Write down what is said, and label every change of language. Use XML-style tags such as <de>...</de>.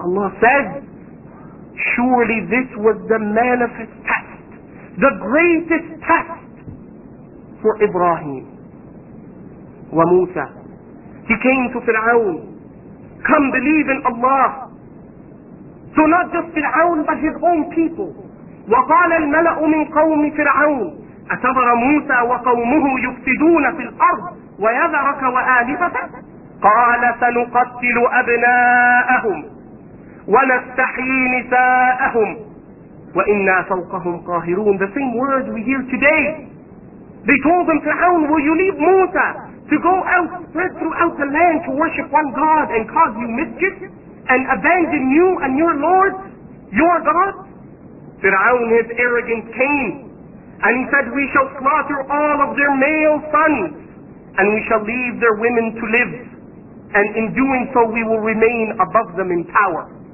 <en>Allah said, surely this was the manifest test, the greatest test for Ibrahim. وموسى. He came to Fir'aun. Come believe in Allah. So not just Fir'aun, but his own people.</en> <ar>وقال الملأ من قوم فرعون أتذر موسى وقومه يفسدون في الأرض ويذرك وآلهتك. قال سنقتل أبناءهم ونستحيي نساءهم وإنا فوقهم قاهرون.</ar> <en>The same word we hear today. They told him, Fir'aun, will you leave Musa to go out, spread throughout the land to worship one God and cause you mischief and abandon you and your Lord, your God? Fir'aun, his arrogance came and he said, we shall slaughter all of their male sons and we shall leave their women to live, and in doing so we will remain above them in power.</en>